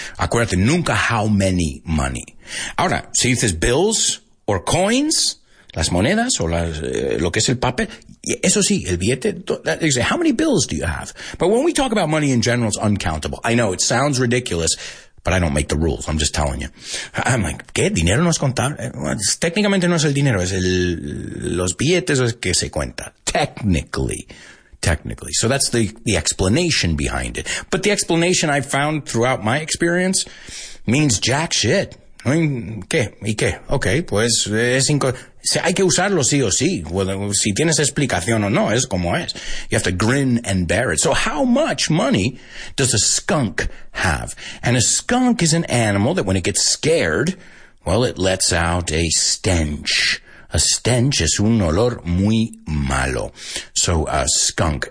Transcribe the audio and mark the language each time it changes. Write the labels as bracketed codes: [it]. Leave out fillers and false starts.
[es] Acuérdate, nunca how many money. Ahora, si dices bills or coins, las monedas o lo que es el papel, eso sí, el billete, how many bills do you have? [en] But when we talk about money in general, it's uncountable. I know, it sounds ridiculous, but I don't make the rules. I'm just telling you. I'm like, ¿qué? ¿Dinero no es contable? [es] Well, técnicamente no es el dinero, es los billetes que se cuenta. Technically. [en] technically. So that's the explanation behind it. But the explanation I've found throughout my experience means jack shit. [es] I mean, ¿qué? ¿Y qué? Okay, pues es hay que usarlo sí o sí. Well, si tienes explicación o no, es como es. [en] You have to grin and bear it. So how much money does a skunk have? And a skunk is an animal that when it gets scared, well, it lets out a stench. [es] A stench es un olor muy malo. So a skunk.